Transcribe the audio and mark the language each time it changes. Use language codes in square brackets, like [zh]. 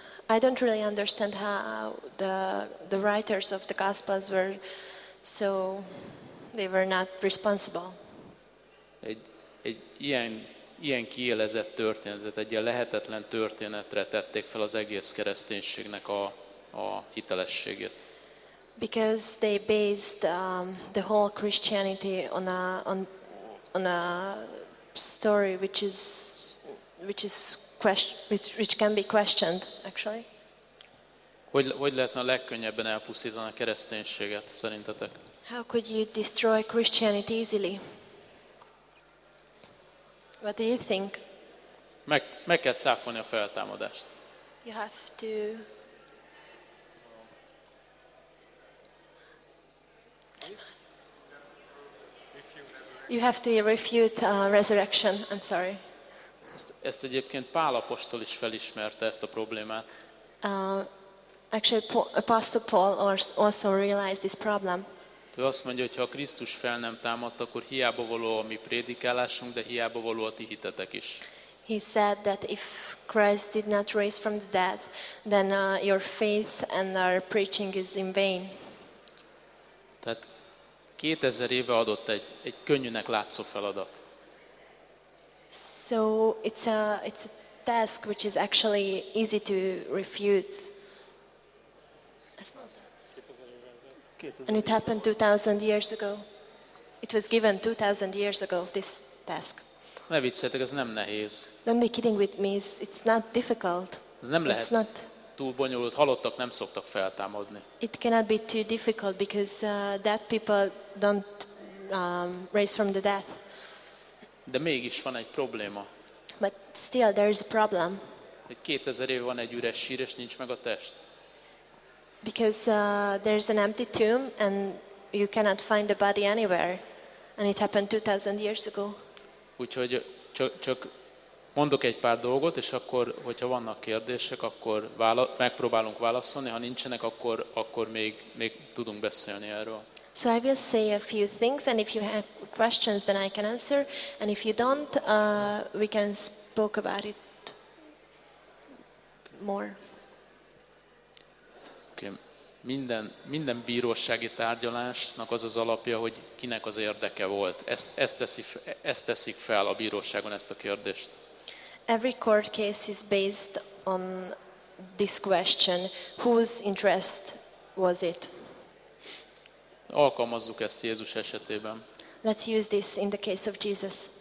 [en] I don't really understand how the writers of the Gospels were so they were not responsible. [hu] Egy ilyen kiélezett történetet, egy ilyen lehetetlen történetre tették fel az egész kereszténységnek a hitelességét. [en] Because they based the whole Christianity on a story which can be questioned actually. [hu] Hogy lehetne a legkönnyebben elpusztítani a kereszténységet szerintetek? [en] How could you destroy Christianity easily? What do you think? [hu] Meg kell cáfolni a feltámadást. [en] You have to. You have to refute resurrection. I'm sorry. [hu] Ezt egyébként Pál apostol is felismerte ezt a problémát. [en] Actually, Apostle Paul also realized this problem. [hu] Ő azt mondja, hogy ha a Krisztus fel nem támadt, akkor hiába való a mi prédikálásunk, de hiába való a ti hitetek is. [en] He said that if Christ did not raise from the dead, then your faith and our preaching is in vain. [hu] Tehát 2000 éve adott egy könnyűnek látszó feladat. [en] So it's a task which is actually easy to refute. And it happened 2000 years ago. It was given 2000 years ago, this task. [hu] Ne viccetek, ez nem nehéz. [en] Don't be kidding with me, it's not difficult. [hu] Ez nem lehet. [en] It's not [hu] túl bonyolult, halottak nem szoktak feltámadni. [en] It cannot be too difficult because dead people don't raise from the death. [hu] De mégis van egy probléma. [en] But still there is a problem. [hu] Egy 2000 éve van egy üres sír, és nincs meg a test. [en] Because there is an empty tomb and you cannot find the body anywhere. And it happened 2000 years ago. [hu] Úgyhogy csak mondok egy pár dolgot, és akkor, hogyha vannak kérdések, akkor megpróbálunk válaszolni, ha nincsenek, akkor még tudunk beszélni erről. [en] So I will say a few things, and if you have questions, then I can answer, and if you don't, we can speak about it more. Okay. [hu] Minden bírósági tárgyalásnak az az alapja, hogy kinek az érdeke volt. Ezt teszik fel a bíróságon ezt a kérdést. [en] Every court case is based on this question. Whose interest was it? [hu] Alkalmazzuk ezt Jézus esetében. [en] Let's use this in the case of Jesus.